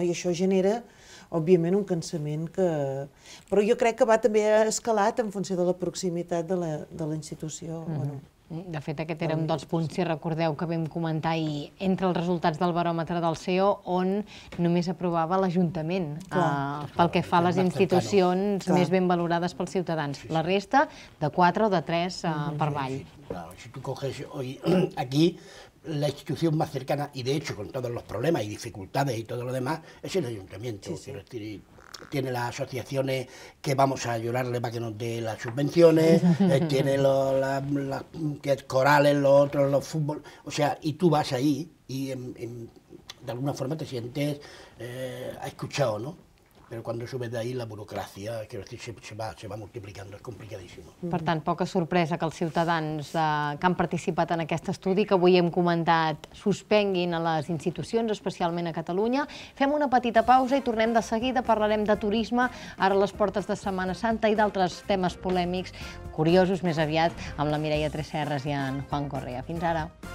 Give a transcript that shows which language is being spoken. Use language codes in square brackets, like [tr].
[ca] I això genera, òbviament, un cansament que... Però jo crec que va també escalat en funció de la proximitat de la institució. De fet, aquest era un dels punts, si recordeu, que vam comentar ahir, entre els resultats del baròmetre del CEO, on només aprovava l'Ajuntament, pel que fa a les institucions més ben valorades pels ciutadans. La resta, de 4 o de 3 per avall. [es] Si tu coges aquí, [ca] la institució més cercana, i [es] de hecho, con todos los problemas y dificultades y todo lo demás, es el Ayuntamiento. Quiero decir, tiene las asociaciones que vamos a ayudarle para que nos dé las subvenciones, tiene los corales, los otros, los fútbol, o sea, y tú vas ahí y de alguna forma te sientes escuchado, ¿no? [ca] Però quan subes d'ahir, la burocràcia, [es] quiero decir, se va multiplicando, es complicadísimo. [ca] Per tant, poca sorpresa que els ciutadans que han participat en aquest estudi, que avui hem comentat, suspenguin a les institucions, especialment a Catalunya. Fem una petita pausa i tornem de seguida. Parlarem de turisme, ara a les portes de Setmana Santa, i d'altres temes polèmics, curiosos més aviat, amb la Mireia Tresserres i en Juan Correa. Fins ara.